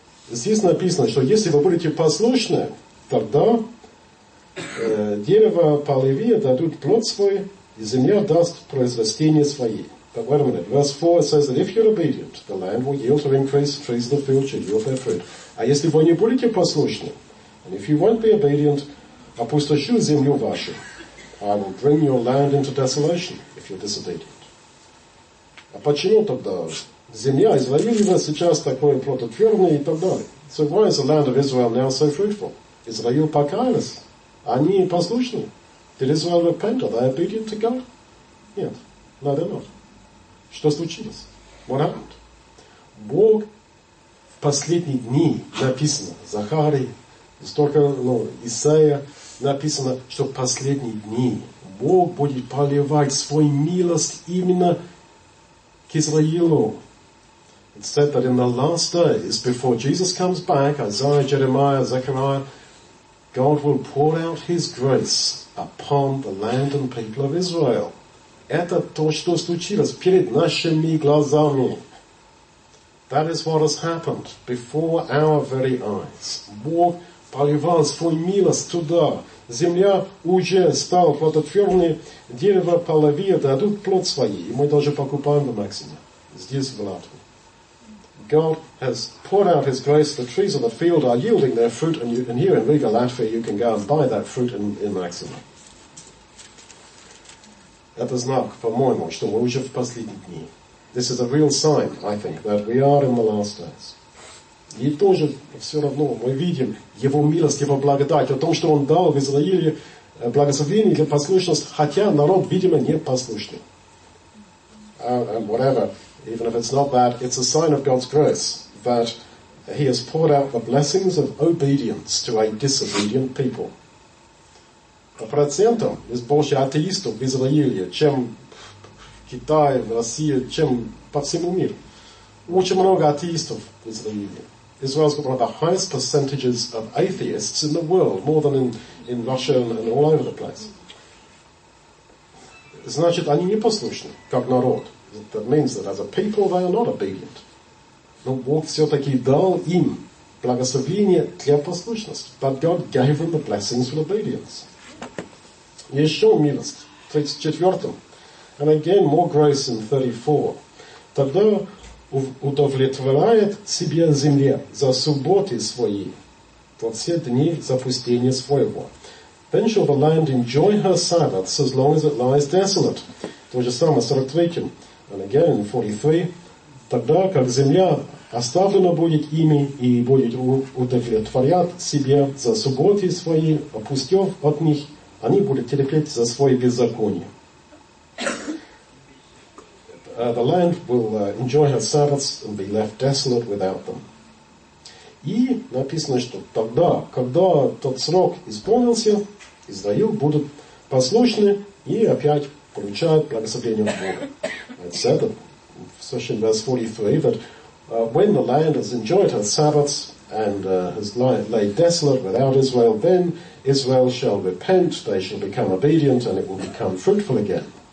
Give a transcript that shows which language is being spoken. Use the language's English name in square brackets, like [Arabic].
[Russian] Здесь написано, что если вы будете послушны, тогда дерево полевые дадут плод свой, и земля даст произрастения свои. [English] But wait a minute. Verse 4 says that if you're obedient, the land will yield or increase, trees of the field shall yield their fruit. [Russian] А если вы не будете послушны, [English] and if you won't be obedient, [Russian] опустошу землю вашу. [English] I will bring your land into desolation if you're disobedient. [Russian] А почему тогда земля Израилева сейчас такое плодотворное и так далее? [English] So why is the land of Israel now so fruitful? Israel [Russian] покаялся. Они послушны. [English] Did Israel repent? Are they obedient to God? [Russian] Нет. [English] No, they're not. [Russian] Что случилось? [English] What happened? [Russian] Бог в последние дни написано. Захарий, столько, ну, Исаия. Написано, что в последние дни Бог будет поливать свой милость именно к Израилю. [English] It's said that in the last days, before Jesus comes back, Isaiah, Jeremiah, Zechariah, God will pour out his grace upon the land and people of Israel. [Russian] Это то, что случилось перед нашими глазами. [English] That is what has happened before our very eyes. [Russian] Бог поливал свой милость туда. Земля уже стала плодотворной, дерево половие дадут плод свои. И мы даже покупаем на Максиме. Здесь в Латвии. [English] God has poured out his grace, the trees of the field are yielding their fruit, and, you, and here in Riga, Latvia, you can go and buy that fruit in Maxima. [Russian] Это знак, по-моему, что мы уже в последние дни. [English] This is a real sign, I think, that we are in the last days. [Russian] И тоже все равно мы видим его милость, его благодать, о том, что он дал в Израиле благословение для послушности, хотя народ, видимо, не послушный. [English] And whatever, even if it's not that, it's a sign of God's grace that he has poured out the blessings of obedience to a disobedient people. [Russian] По процентам есть больше атеистов в Израиле, чем в Китае, в России, чем по всему миру. Очень много атеистов в Израиле. [English] Israel's got one of the highest percentages of atheists in the world, more than in Russia and all over the place. [Russian] Значит, они не послушны, как народ. [English] That means that as a people, they are not obedient. [Russian] Но Бог все-таки дал им благословение для послушности. [English] But God gave them the blessings for obedience. [Russian] Еще милость, [English] 34. And again, more grace in 34. [Russian] Тогда удовлетворяет себе земле за субботы свои, во все дни запустения своего. [English] Then shall the land enjoy her Sabbaths as long as it lies desolate. [Russian] То же самое, 43. [English] And again, [Russian] 43. Тогда, как земля оставлена будет ими и будет удовлетворять себе за субботы свои, опустев от них, они будут терпеть за свои беззакония. [English] The land will enjoy her Sabbaths and be left desolate without them. [Russian] И написано, что тогда, когда тот срок исполнился, Израиль будет послушны и опять поручает благословение от Бога. [English] And so the session verse 43 that when the land has enjoyed her Sabbaths and has laid desolate without Israel, then Israel shall repent, they shall become obedient, and it will become fruitful again.